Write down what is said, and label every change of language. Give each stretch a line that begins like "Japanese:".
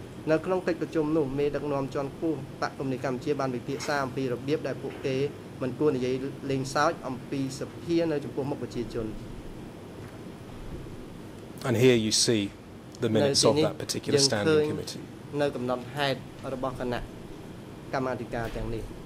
Khmer: នៅក្នុងកិច្ចប្រជុំនោះមេដឹកនាំជាន់ខ្ពស់បកគំនិកម្ពុជាបានពិភាក្សាអំពីរបៀបដែលពួកគេមិនគួរនិយាយលេងសើចអំពីសិទ្ធិនៅចំពោះមុខប្រជាជន
English: And here you see the minutes of that particular standing committee
Khmer: នៅកំណត់ហេតុរបស់គណៈកម្មាធិការទាំងនេះ